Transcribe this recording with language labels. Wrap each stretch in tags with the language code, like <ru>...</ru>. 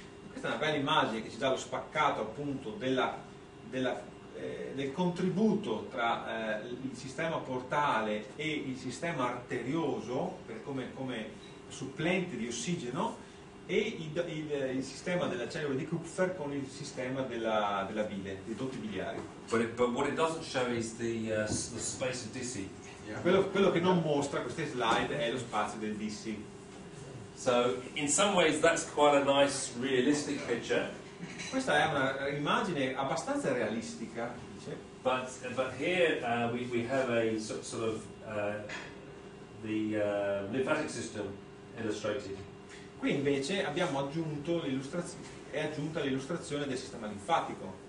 <it>Questa è una bella immagine che ci dà lo spaccato appunto del contributo tra il sistema portale e il sistema arterioso per come supplente di ossigeno e il sistema della cellula di Kupffer con il sistema della bile, dei dotti biliari.</it> <en>But what it doesn't show is the space of DC. Yeah.</en> <it>Quello che non mostra queste slide è lo spazio del DC.</it> <en>So in some ways that's quite a nice realistic picture.</en> <it>Questa è una immagine abbastanza realistica, dice.</it> <en>But here we have a sort of the lymphatic system illustrated.</en> <it>Qui invece abbiamo aggiunto l'illustrazione del sistema linfatico.</it>